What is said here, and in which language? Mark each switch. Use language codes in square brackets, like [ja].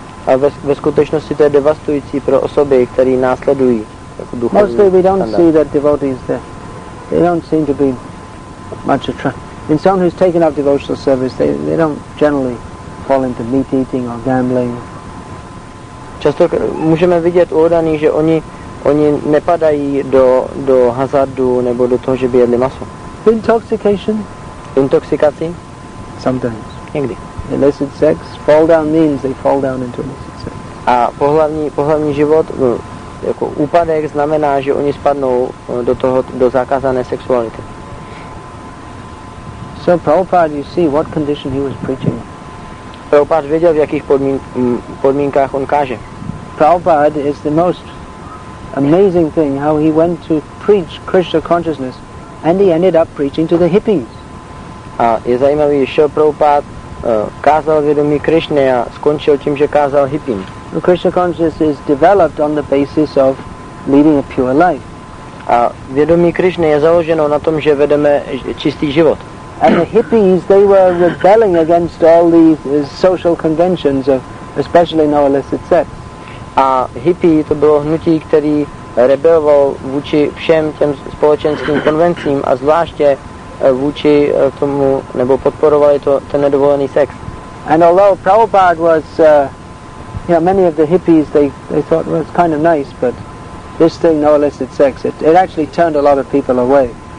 [cs] A ve skutečnosti to je devastující pro osoby, které následují jako duchovní. [en] Mostly we don't see that devotees there. They don't seem to be much attracted. In someone who's taken up devotional service, they don't generally fall into meat eating or gambling. [cs] Často můžeme vidět údajně, že oni nepadají do hazardu nebo do toho, že by jedli maso. [en] Intoxication? [cs] Intoxikaci? [en] Sometimes. [cs] Někdy. [en] Illicit sex? Fall down means they fall down into illicit sex. [cs] A pohlavní život, jako úpadek, znamená, že oni spadnou do toho, do zakázané sexuality. [en] So Prabhupada, you see what condition he was preaching. [cs] Prabhupada věděl, v jakých podmínkách on káže. [en] Prabhupada is the most amazing thing how he went to preach Krishna consciousness and he ended up preaching to the hippies. [cs] A je zajímavý, že Prabhupád kázal vědomí Krišně a skončil tím, že kázal hippím. [en] Krishna consciousness is developed on the basis of leading a pure life. [cs] A vědomí Krišně je založeno na tom, že vedeme čistý život. [en] And the hippies, they were rebelling against all these social conventions of especially no illicit sex. [cs] A hippie to bylo hnutí, který rebeloval vůči všem těm společenským konvencím a zvláště vůči tomu, nebo podporovali to ten nedovolený sex. [en] And although Prabhupada was, many of the hippies, they thought, well, it's kind of nice, but this thing, no illicit sex, it actually turned a lot of people away.